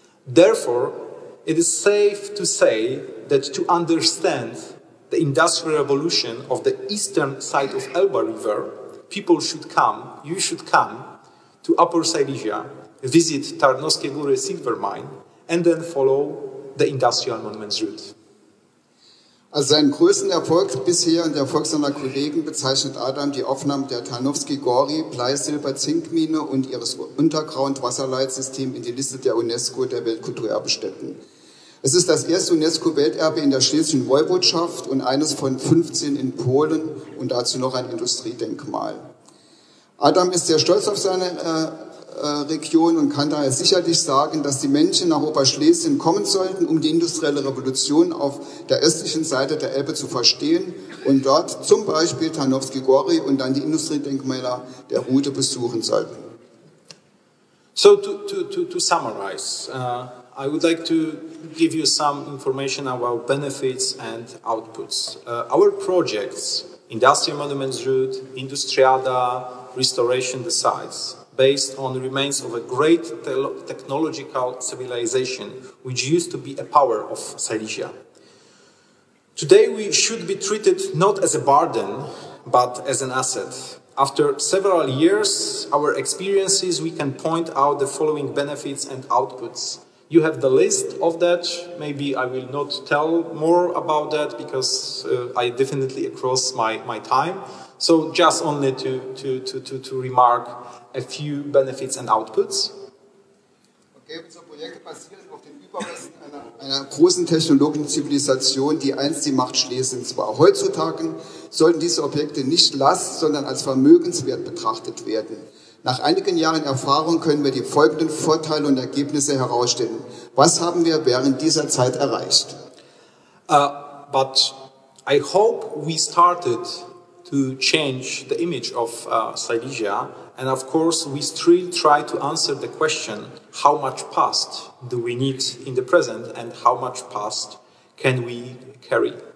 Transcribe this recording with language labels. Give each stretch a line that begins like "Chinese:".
English: Therefore, it is safe to say that to understand the industrial revolution of the eastern side of Elba River, people should come, you should come to Upper Silesia, visit Tarnowskie Góry silver mine and then follow the industrial monuments route.
German: Als seinen größten Erfolg bisher und der Erfolg seiner Kollegen bezeichnet Adam die Aufnahme der Tarnowskie Góry Bleisilber-Zinkmine und ihres Underground-Wasserleitsystems in die Liste der UNESCO der Weltkulturerbestätten. Es ist das erste UNESCO-Welterbe in der Schlesischen Woiwodschaft und eines von 15 in Polen und dazu noch ein Industriedenkmal. Adam ist sehr stolz auf seine Region und kann daher sicherlich sagen, dass die Menschen nach Oberschlesien kommen sollten, um die industrielle Revolution auf der östlichen Seite der Elbe zu verstehen und dort zum Beispiel Tarnowskie Góry und dann die Industriedenkmäler der Route besuchen sollten.
English: So to summarize, I would like to give you some information about benefits and outputs. Our projects Industrial Monuments Route, Industriada, restoration the sites based on the remains of a great technological civilization which used to be a power of Silesia. Today we should be treated not as a burden, but as an asset. After several years, our experiences, we can point out the following benefits and outputs. You have the list of that. Maybe I will not tell more about that because I definitely across my time. So just only to remark a few benefits and outputs.
German: Okay, so Projekte basieren auf den Überresten einer großen technologischen Zivilisation, die einst die Macht Schlesiens war. Heutzutage sollten diese Objekte nicht Last, sondern als Vermögenswert betrachtet werden. Nach einigen Jahren Erfahrung können wir die folgenden Vorteile und Ergebnisse herausstellen. Was haben wir während dieser Zeit erreicht?
English: But I hope we started to change the image of Silesia, and of course we still try to answer the question, how much past do we need in the present and how much past can we carry?